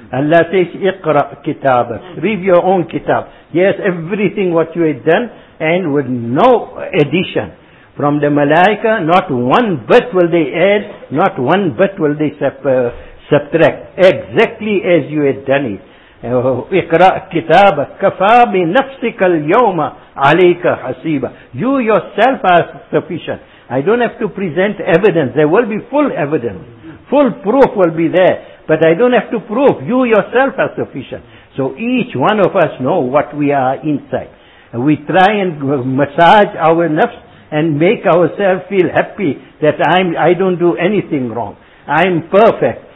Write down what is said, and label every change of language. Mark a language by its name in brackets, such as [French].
[English] Allah says, [Arabic] اقرأ كتابك, [English] read your own kitab. Yes, everything what you had done, and with no addition. From the malaika, not one bit will they add, not one bit will they subtract. Exactly as you had done it. [Arabic] اقرأ كتابك, كفى بنفسك اليوم عليك حسيبا. [English] You yourself are sufficient. I don't have to present evidence. There will be full evidence. Full proof will be there. But I don't have to prove. You yourself are sufficient. So each one of us know what we are inside. We try and massage our nafs and make ourselves feel happy that I don't do anything wrong. I'm perfect.